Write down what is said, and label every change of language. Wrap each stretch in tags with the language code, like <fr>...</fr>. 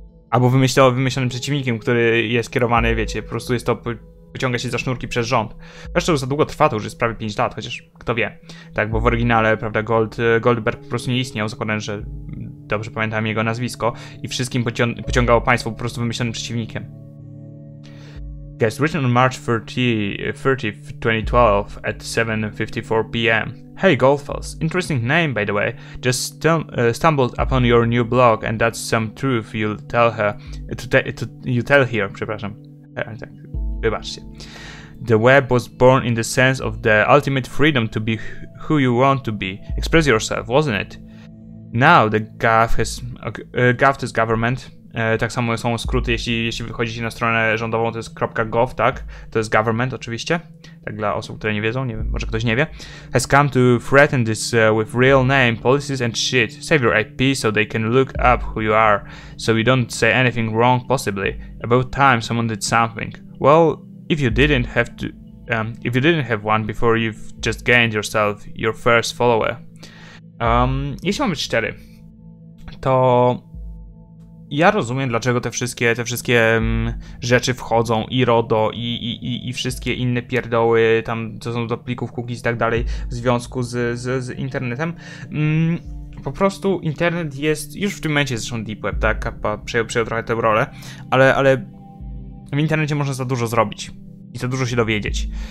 <pl>Albo wymyślonym przeciwnikiem, który jest kierowany, wiecie, po prostu jest to, pociąga się za sznurki przez rząd. Zresztą już za długo trwa, to już jest prawie 5 lat, chociaż kto wie. Tak, bo w oryginale, prawda, Goldberg po prostu nie istniał, zakładając, że dobrze pamiętam jego nazwisko i wszystkim pociągało państwo po prostu wymyślonym przeciwnikiem.</pl> <en>Guest written on March 30th, 2012 at 7:54 PM. Hey Goldfuss, interesting name by the way, just stumbled upon your new blog and that's some truth you'll tell her, you tell here,</en> <pl>przepraszam, wybaczcie.</pl> <en>The web was born in the sense of the ultimate freedom to be who you want to be, express yourself, wasn't it? Now the gaff has government.</en> <pl>Tak samo są skróty, jeśli wychodzicie na stronę rządową, to jest .gov, tak? To jest government oczywiście. Tak dla osób, które nie wiedzą, nie wiem, może ktoś nie wie.</pl> <en>Has come to threaten this with real name, policies and shit. Save your IP so they can look up who you are. So you don't say anything wrong possibly. About time someone did something. Well, if you didn't have to... if you didn't have one before, you've just gained yourself your first follower.</en> <pl>Jeśli mam być cztery, to... Ja rozumiem, dlaczego te wszystkie rzeczy wchodzą, i RODO, i wszystkie inne pierdoły, tam co są do plików cookies i tak dalej, w związku z internetem. Po prostu internet jest, już w tym momencie zresztą Deep Web, tak, Kappa przejął trochę tę rolę, ale w internecie można za dużo zrobić i za dużo się dowiedzieć.</pl>